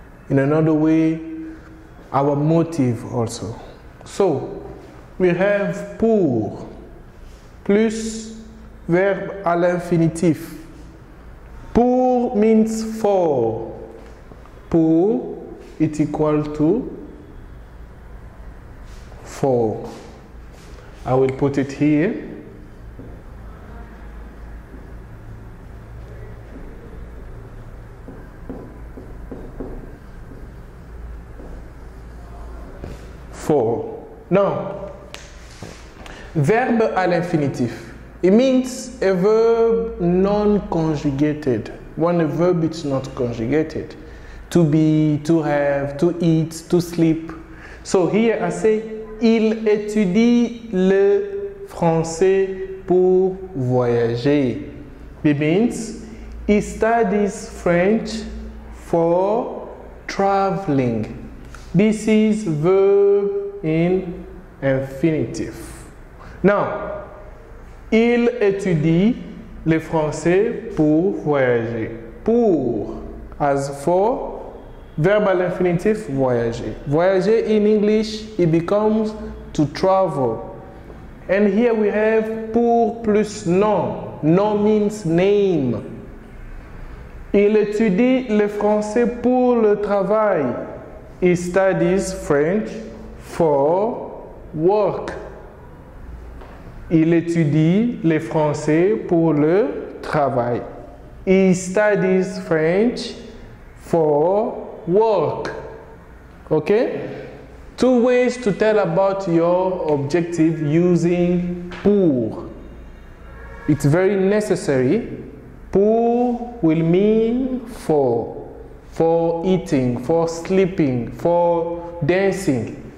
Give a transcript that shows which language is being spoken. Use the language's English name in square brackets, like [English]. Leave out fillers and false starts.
[English] In another way, our motive also. So, we have [French] pour plus verbe à l'infinitif. [English] Pour means for. Pour is equal to for. I will put it here. For. Now, [French] verbe à l'infinitif. [English] It means a verb non-conjugated. When a verb is not conjugated. To be, to have, to eat, to sleep. So here I say, [French] il étudie le français pour voyager. [English] It means, he studies French for traveling. This is verb in infinitive. [French] Now, il étudie le français pour voyager. [English] Pour, as for, verb [French] à l'infinitif, [English] voyager. Voyager in English, it becomes to travel. And here we have [French] pour plus nom. [English] Nom means name. [French] Il étudie le français pour le travail. [English] He studies French for work. [French] Il étudie le français pour le travail. [English] He studies French for work. Okay? Two ways to tell about your objective using pour. It's very necessary. Pour will mean for eating, for sleeping, for dancing.